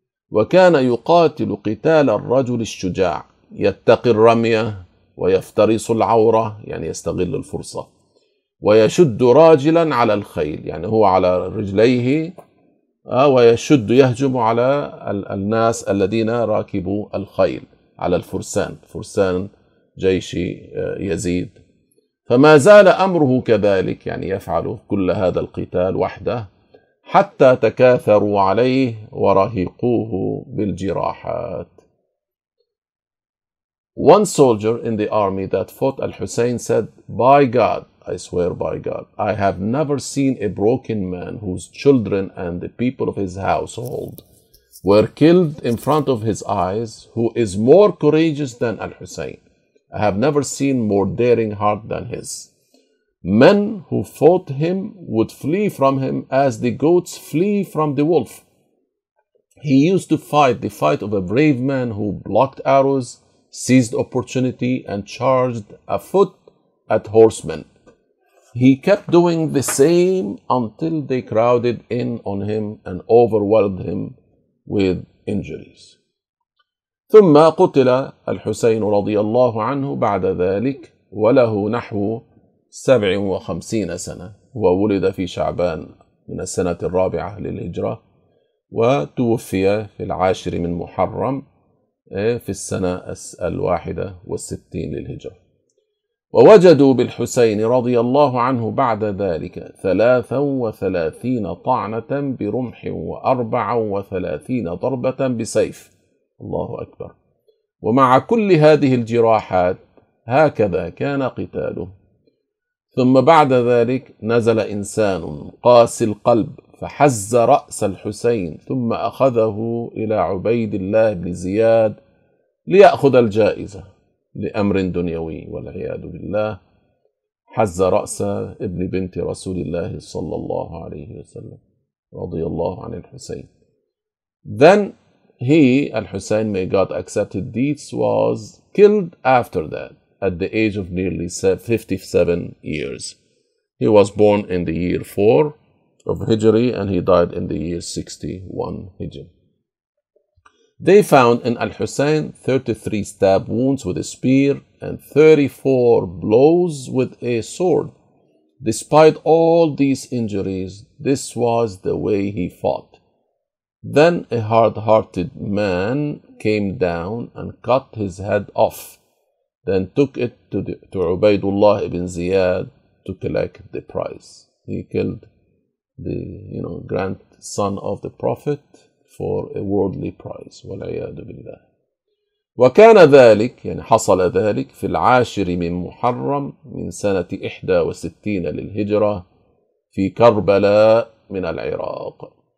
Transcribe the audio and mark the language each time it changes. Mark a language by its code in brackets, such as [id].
[ar] وكان يقاتل قتال الرجل الشجاع، يتقي الرمية ويفترس العورة، يعني يستغل الفرصة، ويشد راجلا على الخيل، يعني هو على رجليه ويشد يهجم على الناس الذين راكبوا الخيل، على الفرسان، فرسان جيش يزيد. فما زال أمره كذلك، يعني يفعل كل هذا القتال وحده، حتى تكاثروا عليه ورهقوه بالجراحات. [en] One soldier in the army that fought Al-Hussein said, "By God, I swear by God, I have never seen a broken man whose children and the people of his household were killed in front of his eyes who is more courageous than Al-Hussein. I have never seen more daring heart than his. Men who fought him would flee from him as the goats flee from the wolf. He used to fight the fight of a brave man who blocked arrows, seized opportunity, and charged afoot at horsemen. He kept doing the same until they crowded in on him and overwhelmed him with injuries." [ar] ثم قتل الحسين رضي الله عنه بعد ذلك وله نحو 57 سنة، وولد في شعبان من السنة الرابعة للهجرة، وتوفي في العاشر من محرم في السنة 61 للهجرة. ووجدوا بالحسين رضي الله عنه بعد ذلك 33 طعنة برمح وأربع وثلاثين ضربة بسيف، الله أكبر. ومع كل هذه الجراحات هكذا كان قتاله. ثم بعد ذلك نزل إنسان قاسي القلب فحز رأس الحسين، ثم أخذه إلى عبيد الله بن زياد ليأخذ الجائزة لأمر دنيوي، والعياذ بالله، حز رأس ابن بنت رسول الله صلى الله عليه وسلم رضي الله عن الحسين. [en] Then he, Al-Hussein, may God accept his deeds, was killed after that at the age of nearly 57 years. He was born in the year 4 of Hijri and he died in the year 61 Hijri. They found in Al-Hussein 33 stab wounds with a spear and 34 blows with a sword. Despite all these injuries, this was the way he fought. Then a hard-hearted man came down and cut his head off, then took it to Ubaidullah ibn Ziyad to collect the prize. He killed the grandson of the Prophet for a worldly prize. [ar] والعياذ بالله. وكان ذلك، يعني حصل ذلك، في العاشر من محرم من سنة 61 للهجرة في كربلاء من العراق.